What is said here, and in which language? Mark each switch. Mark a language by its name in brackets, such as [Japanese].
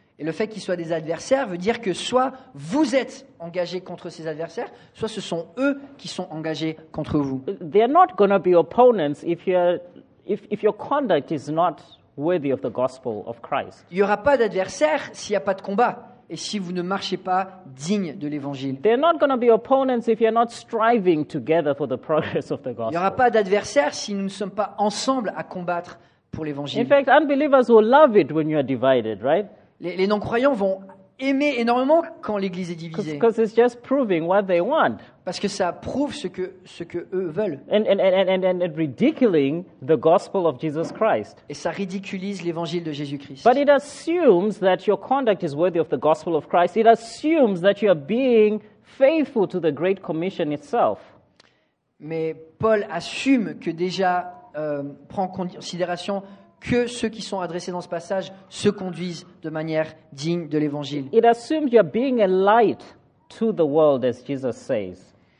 [French] Et le fait qu'ils soient des adversaires veut dire que soit vous êtes engagés contre ces adversaires, soit ce sont eux qui sont engagés contre vous. [English] They are not going to be opponents if your conduct is not worthy of the gospel of Christ. [French] Il n'y aura pas d'adversaire s'il n'y a pas de combat et si vous ne marchez pas digne de l'évangile. [English] They are not going to be opponents if you are not striving together for the progress of the gospel. [French] Il n'y aura pas d'adversaire si nous ne sommes pas ensemble à combattre pour l'évangile. [English] In fact, unbelievers will love it when you are divided, right? [French] Les non-croyants vont aimer énormément quand l'Église est divisée. [English] Because it's just proving what they want. [French] Parce que ça prouve ce que eux veulent. [English] And ridiculing the gospel of Jesus Christ. [French] Et ça ridiculise l'évangile de Jésus-Christ. [English] But it assumes that your conduct is worthy of the gospel of Christ. It assumes that you are being faithful to the Great Commission itself. [French] Mais Paul assume que déjà prend en considération que ceux qui sont adressés dans ce passage se conduisent de manière digne de l'évangile. [English] It assumes you're being a light to the world, as Jesus says.